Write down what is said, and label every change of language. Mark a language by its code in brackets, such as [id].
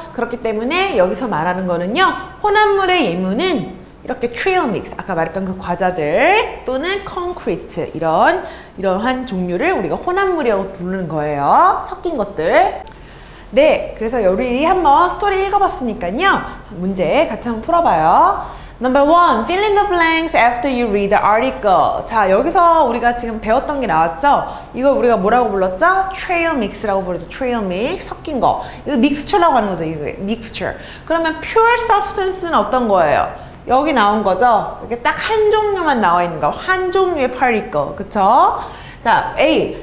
[ko] 그렇기 때문에 여기서 말하는 거는요, 혼합물의 예문은 이렇게 트레일 믹스, 아까 말했던 그 과자들 또는 콘크리트, 이러한 종류를 우리가 혼합물이라고 부르는 거예요. 섞인 것들. 네, 그래서 우리 한번 스토리 읽어봤으니까요, 문제 같이 한번 풀어봐요. [en] Number one, fill in the blanks after you read the article. [ko] 자, 여기서 우리가 지금 배웠던 게 나왔죠? 이거 우리가 뭐라고 불렀죠? Trail mix라고 부르죠. Trail mix, 섞인 거. 이거 믹스처라고 하는 거죠, 이게 믹스처. 그러면 pure substance는 어떤 거예요? 여기 나온 거죠? 이렇게 딱 한 종류만 나와 있는 거, 한 종류의 particle, 그쵸? 자, A.